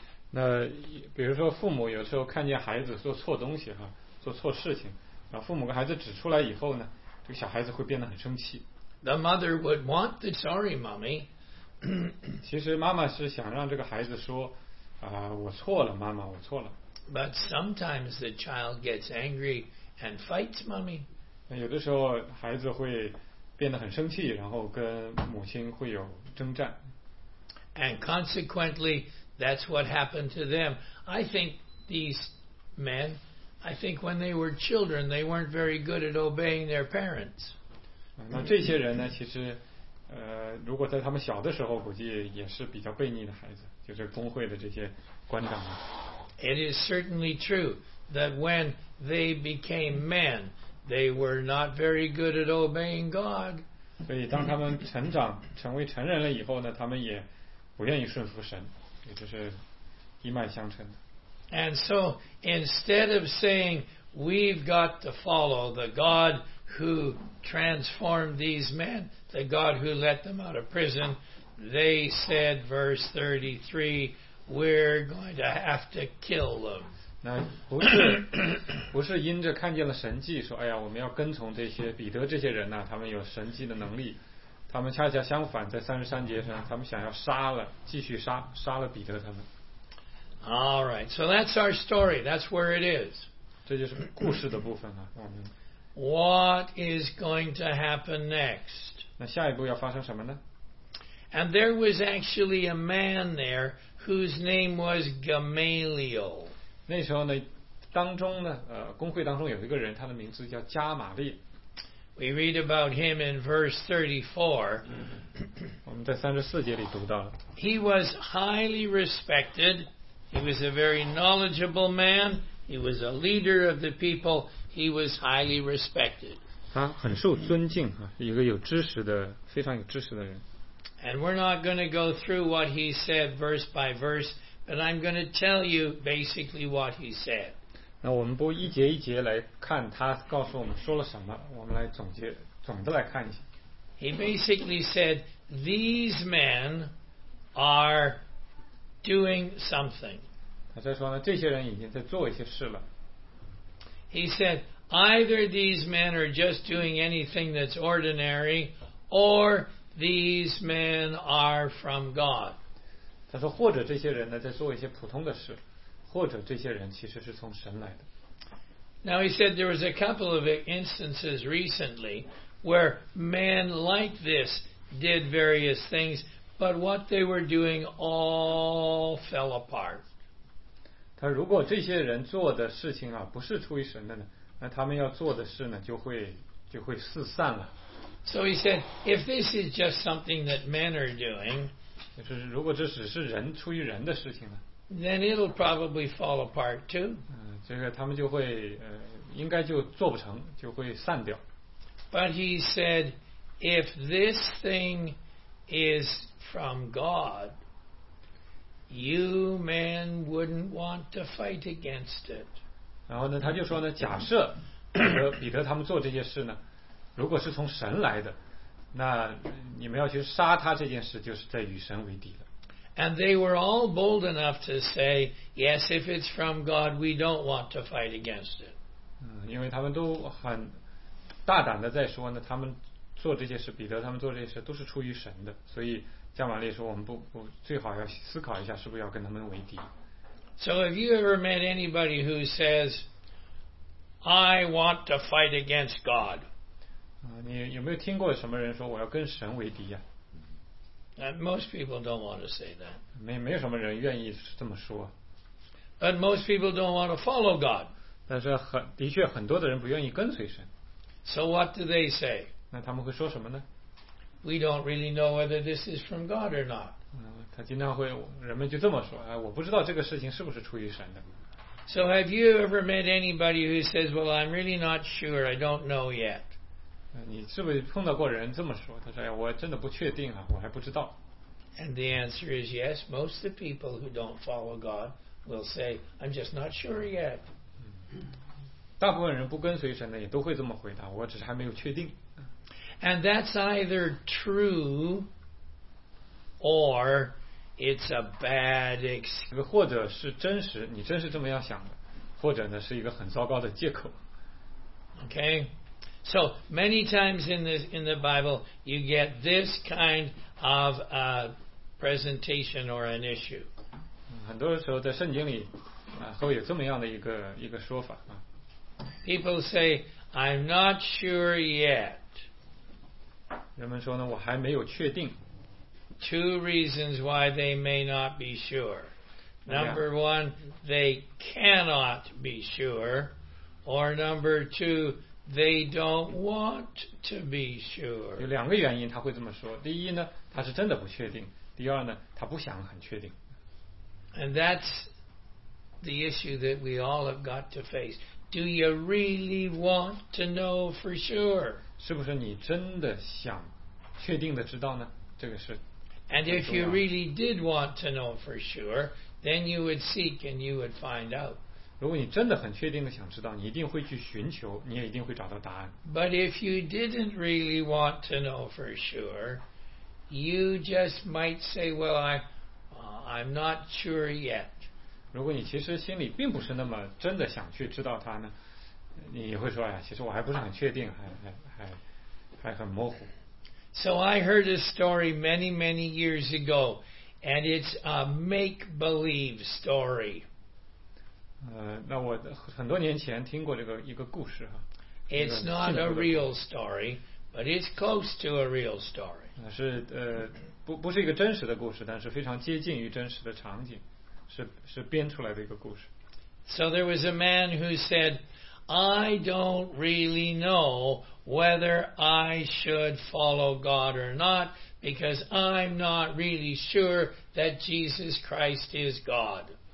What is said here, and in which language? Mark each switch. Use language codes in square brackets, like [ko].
[zh] 那比如说父母有时候看见孩子做错东西哈，做错事情，然后父母跟孩子指出来以后呢，这个小孩子会变得很生气。 [en] The mother would want the sorry mommy. [zh] 其实妈妈是想让这个孩子说我错了妈妈我错了。 [en] But sometimes the child gets angry and fights mommy. [zh] 有的时候孩子会变得很生气，然后跟母亲会有征战。 [en] And consequently, that's what happened to them. I think these men, I think when they were children, they weren't very good at obeying their parents. [zh] 那这些人呢，其实如果在他们小的时候，估计也是比较悖逆的孩子，就是工会的这些官长。 [en] It is certainly true that when they became men, they were not very good at obeying God. [zh] 所以当他们成长成为成人了以后呢，他们也不愿意顺服神，也就是一脉相承的。 [en] And so instead of saying we've got to follow the God who transformed these men. The God who let them out of prison, they said, verse 33, we're going to have to kill them. [zh] 那不是因着看见了神迹说，哎呀，我们要跟从这些彼得这些人呐、啊，他们有神迹的能力。他们恰恰相反，在33节上，他们想要杀了，继续杀了彼得他们。 [en] All right, so that's our story. That's where it is. [zh] 这就是故事的部分啊。 [en] What is going to happen next? [zh] 那下一步要发生什么呢? [en] And there was actually a man there whose name was Gamaliel. [zh] 那时候呢，当中呢，工会当中有一个人，他的名字叫加玛利。 [en] We read about him in verse 34. [zh] 我们在34节里读到。 [en] He was highly respected. He was a very knowledgeable man. He was a leader of the people. He was highly respected. [zh] 他很受尊敬，一个有知识的，非常有知识的人。 [en] And we're not going to go through what he said verse by verse, but I'm going to tell you basically what he said. [zh] 那我们不一节一节来看他告诉我们说了什么，我们来总结，总的来看一下。 [en] He basically said, these men are doing something. [zh] 他在说呢，这些人已经在做一些事了。 [en] He said,Either these men are just doing anything that's ordinary, or these men are from God. [zh] 他说或者这些人呢在做一些普通的事，或者这些人其实是从神来的。 [en] Now he said there was a couple of instances recently where men like this did various things, but what they were doing all fell apart. [zh] 他如果这些人做的事情啊不是出于神的呢？那他们要做的事呢，就会四散了。 [en] So he said, if this is just something that men are doing, [zh] 就是如果这只是人出于人的事情呢 [en] ，then it'll probably fall apart too. [zh] 这个他们就会应该就做不成，就会散掉。 [en] But he said, if this thing is from God, you men wouldn't want to fight against it. [zh] 然后呢，他就说呢，假设彼得他们做这些事呢，如果是从神来的，那你们要去杀他这件事，就是在与神为敌了。 [en] And they were all bold enough to say, yes, if it's from God, we don't want to fight against it. [zh] 因为他们都很大胆的在说呢，他们做这些事，彼得他们做这些事都是出于神的，所以加玛利说，我们不最好要思考一下，是不是要跟他们为敌。 [en] So have you ever met anybody who says, I want to fight against God? [zh] 你有没有听过什么人说我要跟神为敌呀、 [en] 啊、Most people don't want to say that. [zh] 没有什么人愿意这么说。 [en] But most people don't want to follow God. [zh] 但是的确很多的人不愿意跟随神。 [en] So what do they say? [zh] 那他们会说什么呢？ [en] We don't really know whether this is from God or not. [zh] 他经常会人们就这么说、哎、我不知道这个事情是不是出于神的。 [en] So have you ever met anybody who says, well, I'm really not sure, I don't know yet? [zh] 你是不是碰到过人这么说？他说：“我真的不确定啊，我还不知道。” [en] And the answer is yes. Most of the people who don't follow God will say, "I'm just not sure yet." [zh] 大部分人不跟随神的也都会这么回答：“我只是还没有确定。” [en] And that's either true, or it's a bad excuse. [zh] 或者是真实，你真是这么样想的，或者呢是一个很糟糕的借口。 [en] Okay. So many times in the Bible, you get this kind of a presentation or an issue. [zh] 很多时候在圣经里，会有这么样的一个说法啊。 [en] People say, "I'm not sure yet." [zh] 人们说呢，我还没有确定。 [en] Two reasons why they may not be sure. Number one, they cannot be sure. Or number two. They don't want to be sure. [zh] 有两个原因他会这么说。第一呢，他是真的不确定；第二呢，他不想很确定。 [en] And that's the issue that we all have got to face. Do you really want to know for sure? [zh] 是不是你真的想确定的知道呢？这个是。 [en] And if you really did want to know for sure, then you would seek and you would find out. [zh] 如果你真的很确定的想知道，你一定会去寻求，你也一定会找到答案。 [en] But if you didn't really want to know for sure, you just might say, "Well, I'm not sure yet." [zh] 如果你其实心里并不是那么真的想去知道它呢，你会说呀，其实我还不是很确定，还很模糊。 [en] So I heard a story many, many years ago, and it's a make-believe story. [zh] 那我很多年前听过这个一个故事哈。 [en] It's not a real story, but it's close to a real story. [zh] 是不是一个真实的故事，但是非常接近于真实的场景，是编出来的一个故事。 [en] So there was a man who said, "I don't really know whether I should follow God or not because I'm not really sure that Jesus Christ is God."